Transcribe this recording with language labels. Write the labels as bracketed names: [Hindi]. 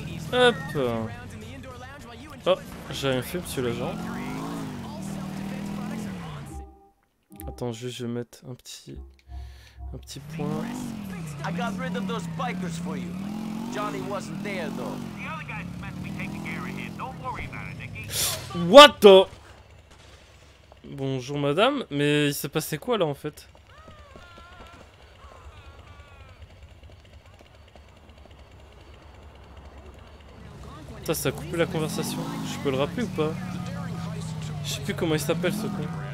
[French] Hop. Oh, j'ai rien fait, monsieur l'agent. Attends, juste je vais mettre un petit point. [English] I got rid of those bikers for you. Johnny wasn't there though. The other guys must be taking care of him. Don't worry about it, Nicky. What the? [French] Bonjour madame, mais il s'est passé quoi là en fait? Putain, ça a coupé la conversation. Je peux le rappeler ou pas? Je sais plus comment il s'appelle ce con.